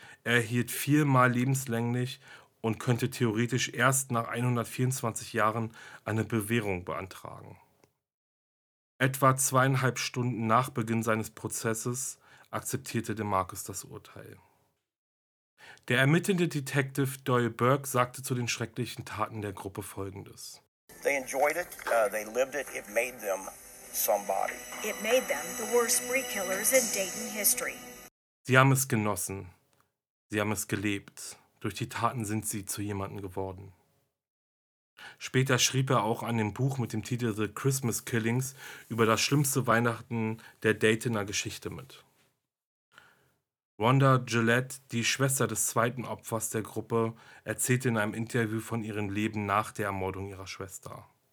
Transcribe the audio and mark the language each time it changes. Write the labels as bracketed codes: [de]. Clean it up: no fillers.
[de] Er erhielt viermal lebenslänglich und könnte theoretisch erst nach 124 Jahren eine Bewährung beantragen. Etwa 2,5 Stunden nach Beginn seines Prozesses akzeptierte DeMarcus das Urteil. Der ermittelnde Detective Doyle Burke sagte zu den schrecklichen Taten der Gruppe Folgendes. [en] They enjoyed it, they lived it, it made them somebody. It made them the worst spree killers in Dayton history. [de] Sie haben es genossen. Sie haben es gelebt. Durch die Taten sind sie zu jemandem geworden. Später schrieb er auch an dem Buch mit dem Titel The Christmas Killings über das schlimmste Weihnachten der Daytoner Geschichte mit. Rhonda Gillette, die Schwester des zweiten Opfers der Gruppe, erzählte in einem Interview von ihrem Leben nach der Ermordung ihrer Schwester.